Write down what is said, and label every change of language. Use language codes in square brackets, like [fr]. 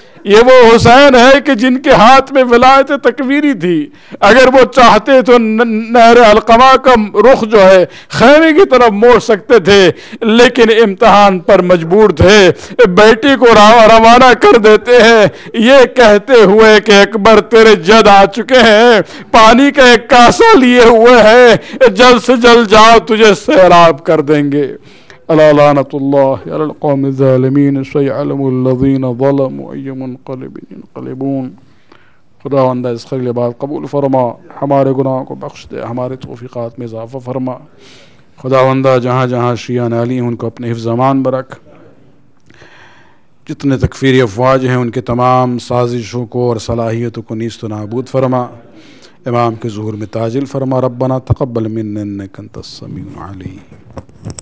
[ur] یہ وہ حسین ہے کہ جن کے ہاتھ میں ولایت تکویری تھی, اگر وہ چاہتے تو نہر القما کا رخ جو ہے خیمے کی طرف موڑ سکتے تھے, لیکن امتحان پر مجبور تھے, بیٹی کو روانہ کر دیتے ہیں یہ کہتے ہوئے کہ اکبر تیرے جد آ چکے ہیں, پانی کا ایک کاسا لیے ہوئے ہیں, جلد سے جلد جاؤ تجھے سیراب کر دیں گے. [ar] الا لعنة الله على القوم الظالمين سيعلم الذين ظلموا اي منقلب ينقلبون. [ur] خدا وندا اس خیر کے بعد قبول فرما, ہمارے گناہوں کو بخش دے, ہمارے توفیقات میں اضافہ فرما. خدا وندا جہاں جہاں شیعہ نالی ہیں ان کو اپنے حفظ امان برکھ, جتنے تکفیری افواج ہیں ان کے تمام سازشوں کو اور صلاحیتوں کو نیست و نابود فرما, امام کے ظہور میں تاجل فرما. [ar] ربنا تقبل منا انک انت السمیع العلیم.